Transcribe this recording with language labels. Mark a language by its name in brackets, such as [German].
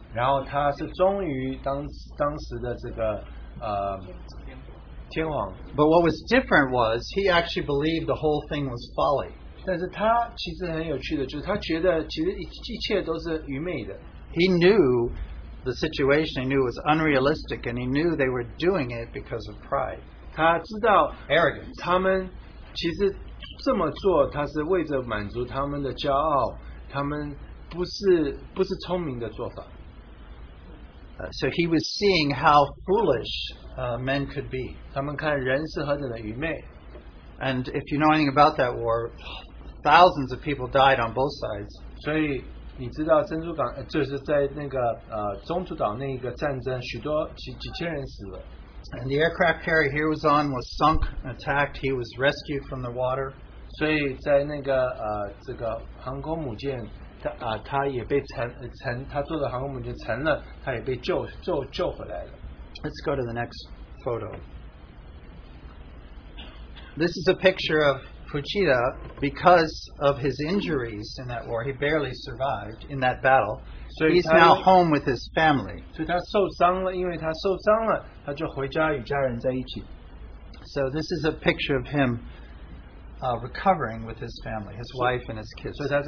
[Chinese] 然后他是忠于当时的这个天皇。 [English] But what was different was he actually believed the whole thing was folly. [Chinese] 但是他其实很有趣的，就是他觉得其实一切都是愚昧的。 [English] He knew the situation, he knew it was unrealistic, and he knew they were doing it because of pride. [Chinese] 他知道 [English] arrogance. [Chinese] 他们其实这么做，他是为着满足他们的骄傲，他们不是聪明的做法。 [English] So he was seeing how foolish men could be. [Chinese] 他们看人是何等的愚昧。 [English] And if you know anything about that war, thousands of people died on both sides. [Chinese] 所以你知道珍珠港就是在那个中途岛那个战争，许多几千人死了。 [English] And the aircraft carrier he was on was sunk, attacked. He was rescued from the water. [Chinese] 所以在那个这个航空母舰，他也被沉，他坐的航空母舰沉了，他也被救回来了。 [English] Let's go to the next photo. This is a picture of Fuchida, because of his injuries in that war, he barely survived in that battle. So he's now home with his family. So this is a picture of him recovering with his family, his wife and his kids.